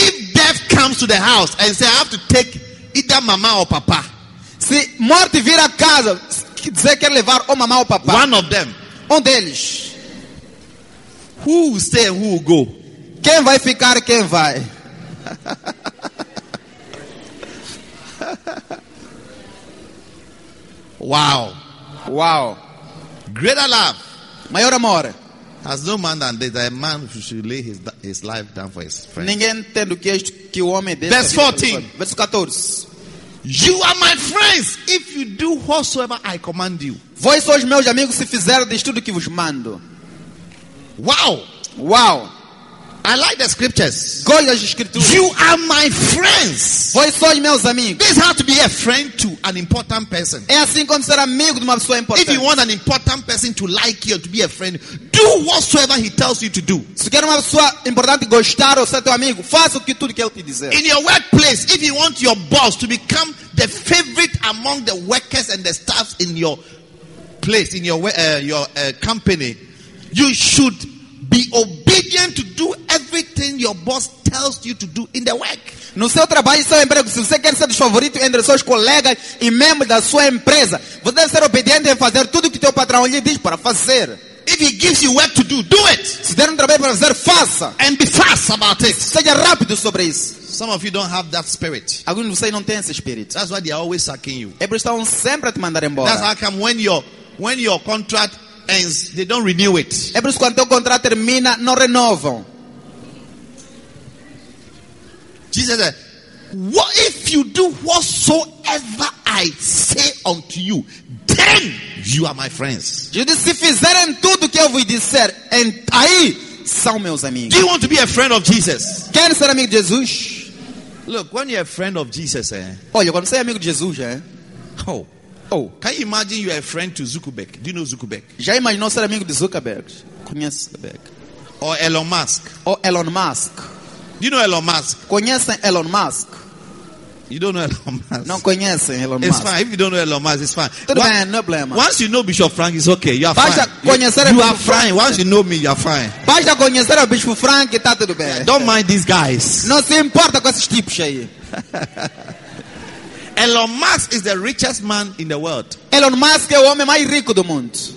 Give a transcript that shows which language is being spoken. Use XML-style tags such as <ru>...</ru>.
<en>If death comes to the house and say, I have to take either mama or papa.</en> <pt>Se morte vir a casa, dizer quer levar ou mamãe ou papai.</pt> <en>One of them.</en> <pt>Um deles.</pt> <en>Who will stay and who will go?</en> <pt>Quem vai ficar e quem vai? Wow. Wow.</pt> <en>Greater love.</en> <pt>Maior amor.</pt> <en>Has no man than this, that a man should lay his life down for his friend.</en> <pt>Ninguém tem do que este, que o homem deixa.</pt> <en>Verse 14.</en> <pt>Verso 14.</pt> <en>You are my friends if you do whatsoever I command you.</en> <pt>Vós sois meus amigos se fizerdes tudo o que vos mando. Wow. Wow.</pt> <en>I like the scriptures.</en> <pt>Gosto das escrituras.</pt> <en>You are my friends.</en> <pt>Vós sois meus amigos.</pt> <en>This has to be a friend to an important person.</en> <pt>É assim como ser amigo de uma pessoa importante.</pt> <en>If you want an important person to like you or to be a friend, do whatsoever he tells you to do.</en> <pt>Se quer uma pessoa importante gostar ou ser teu amigo, faça o que tudo que ele te dizer.</pt> <en>In your workplace, if you want your boss to become the favorite among the workers and the staffs in your place, in your company, you should be obedient to do everything your boss tells you to do in the work.</en> <pt>No seu trabalho e seu emprego, se você quer ser favorito entre seus colegas e membros da sua empresa, você deve ser obediente em fazer tudo o que teu patrão lhe diz para fazer.</pt> <en>If he gives you work to do, do it.</en> <pt>Se der um trabalho para fazer, faça.</pt> <en>And be fast about it.</en> <pt>Seja rápido sobre isso.</pt> <en>Some of you don't have that spirit.</en> <pt>Alguns de vocês não têm esse espírito.</pt> <en>That's why they are always sucking you.</en> <pt>Eles estão sempre a te mandar embora.</pt> <en>That's how come when your contract and they don't renew it.</en> <pt>É por isso que quando o contrato termina, não renovam.</pt> <en>Jesus said, "What if you do whatsoever I say unto you, then you are my friends."</en> <pt>Jesus disse, se fizerem tudo que eu vos disser, aí são meus amigos.</pt> <en>Do you want to be a friend of Jesus?</en> <pt>Quer ser amigo de Jesus?</pt> <en>Look, when you're a friend of Jesus,</en> <pt>Olha, quando você é amigo de Jesus, Oh. Oh,</pt> <en>can you imagine you are a friend to Zuckerberg? Do you know Zuckerberg?</en> <pt>Já imaginou ser amigo de Zuckerberg? Conhece Zuckerberg?</pt> <en>Or Elon Musk? Or Elon Musk? Do you know Elon Musk?</en> <pt>Conhece Elon Musk?</pt> <en>You don't know Elon Musk.</en> <pt>Não conhecem Elon Musk.</pt> <en>It's fine. If you don't know Elon Musk, it's fine.</en> <pt>Tudo bem, no problema.</pt> <en>Once you know Bishop Frank, it's okay. You are</en> <pt>basta</pt> <en>fine.</en> <pt>Conhecer</pt> <en>you are fine.</en> <pt>Frank.</pt> <en>Once you know me, you are fine.</en> <pt>Basta conhecer o Bishop Frank, está tudo bem.</pt> <en>Yeah, don't mind these guys.</en> <pt>Não se importa com esses tipos aí.</pt> <en>Elon Musk is the richest man in the world.</en> <pt>Elon Musk é o homem mais rico do mundo.</pt>